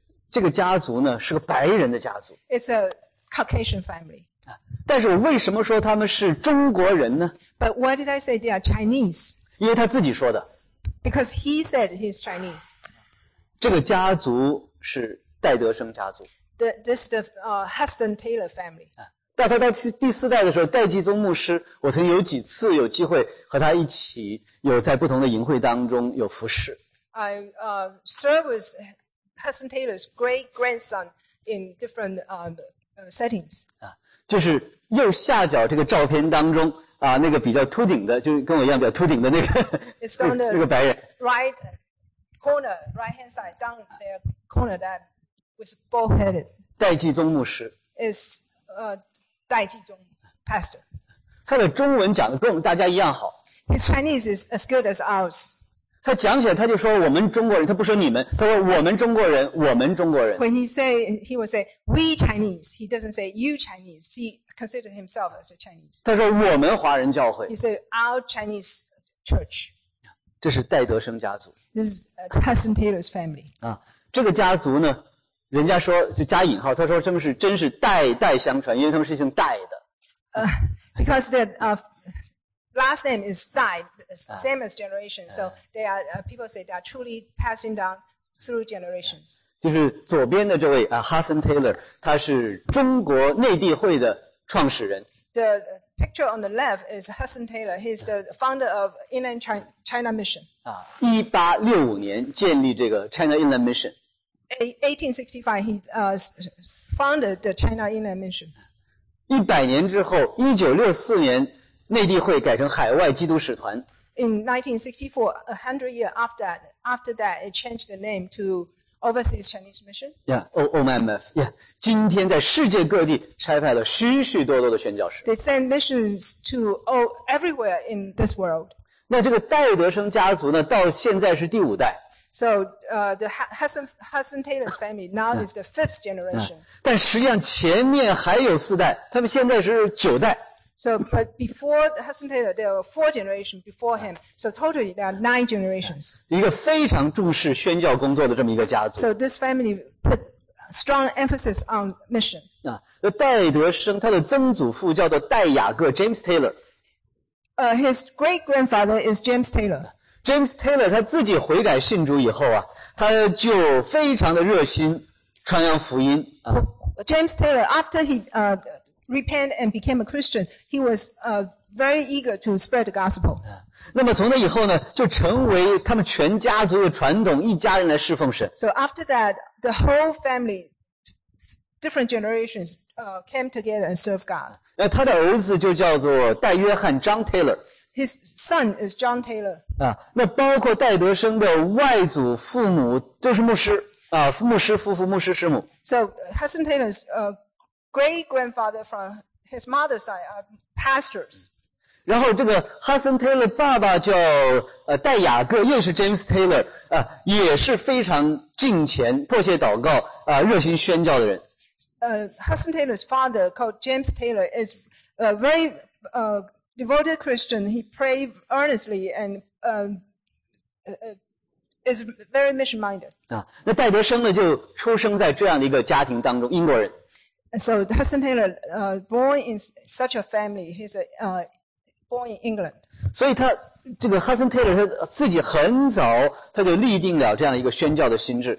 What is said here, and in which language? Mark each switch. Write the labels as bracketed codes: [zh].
[zh] 这个家族呢是个白人的家族。 [en] It's a Caucasian family. [zh] 但是我为什么说他们是中国人呢 [en] ？But why did I say they are Chinese? [zh] 因为他自己说的。 [en] Because he said he's Chinese. [zh] 这个家族是戴德生家族。 [en] This the Huston Taylor family. [zh] 到他到第四代的时候，戴季宗牧师，我曾有几次有机会和他一起有在不同的营会当中有服侍。 [en] I serve with Huston Taylor's great grandson in different settings. [zh] 就是右下角这个照片当中。那个比较秃顶的就跟我一样比较秃顶的那个 [en] It's down the [zh] 那个白人 [en] right corner right hand side down the corner that was bald headed [zh] 戴季宗牧师 [en] is 戴季宗 pastor [zh] 他的中文讲的跟我们大家一样好 [en] His Chinese is as good as ours [zh] 他讲起来他就说我们中国人他不说你们他说我们中国人我们中国人 [en] When he would say we Chinese he doesn't say you Chinese seeconsider himself as a Chinese. [zh] 他说我们华人教会。 [en] He said our Chinese church. [zh] 这是戴德生家族。 [en] This is Huston Taylor's family. [zh] 这个家族呢，人家说就加引号，他说他们是真是代代相传，因为他们是姓戴的。 [en] Because their last name is Dai, same as generation, so they are people say they are truly passing down through generations. [zh] 就是左边的这位Huston Taylor, 他是中国内地会的。创始人。 [en] The picture on the left is Huston Taylor. He's the founder of Inland China Mission. [zh] 1865年建立这个 China Inland Mission. [en] 1865, he founded the China Inland Mission. [zh] 100年之后 ,1964 年内地会改成海外基督使团。 [en] In 1964, 100 years after that, it changed the name to Overseas Chinese Mission? Yeah, OMF. [zh] Yeah, 今天在世界各地拆派了许许多多的宣教士。 [en] They send missions to everywhere in this world. [zh] 那这个戴德生家族呢，到现在是第五代。 [en] So, the Huston Taylor's family now is the fifth generation. [zh] 但实际上前面还有四代，他们现在是九代。 [en] So, but before Huston Taylor, there were four generations before him. So totally, there are nine generations. [zh] 一个非常重视宣教工作的这么一个家族。 [en] So this family put strong emphasis on mission. [zh] 戴德生他的曾祖父叫做戴雅各 James Taylor. [en] His great grandfather is James Taylor. [zh] James Taylor 他自己悔改信主以后啊，他就非常的热心传扬福音。 [en] James Taylor after he repent and became a Christian, he was very eager to spread the gospel. [zh] 那么从那以后呢，就成为他们全家族的传统，一家人来侍奉神。 [en] So after that, the whole family, different generations, came together and served God. [zh] 他的儿子就叫做戴约翰 John Taylor. [en] His son is John Taylor. [zh] 那包括戴德生的外祖父母都是牧师啊，牧师夫妇、牧师师母。 [en] So Hudson Taylor's great grandfather from his mother's side are pastors. [zh] 然后这个 Hudson Taylor 爸爸叫戴雅各，又是 James Taylor 啊，也是非常敬虔、迫切祷告啊、热心宣教的人。 [en] Hudson Taylor's father called James Taylor is a very devoted Christian. He prayed earnestly and is very mission minded. [zh] 啊，那戴德生呢，就出生在这样的一个家庭当中，英国人。 [en] So Hudson Taylor born in such a family. He's a born in England. [zh] 所以他这个 Hudson Taylor 他自己很早他就立定了这样一个宣教的心志。